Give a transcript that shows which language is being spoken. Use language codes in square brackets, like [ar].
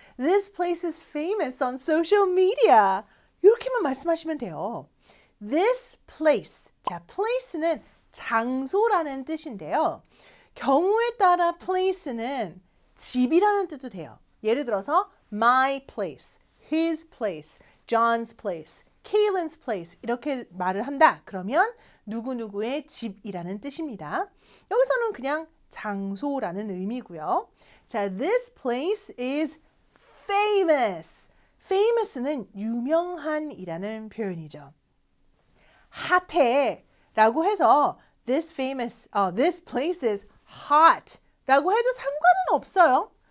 [en] This place is famous on social media. [ko] 이렇게만 말씀하시면 돼요. [en] This place. [ko] 자, place는 장소라는 뜻인데요. 경우에 따라 place는 집이라는 뜻도 돼요. 예를 들어서 [en] my place, his place, John's place, Kaylin's place [ko] 이렇게 말을 한다. 그러면 누구누구의 집이라는 뜻입니다. 여기서는 그냥 장소라는 의미고요. [en] 자, this place is famous. [ko] famous는 유명한이라는 표현이죠. 핫해라고 해서 [en] this famous, this place is hot [ko] 라고 해도 상관은 없어요.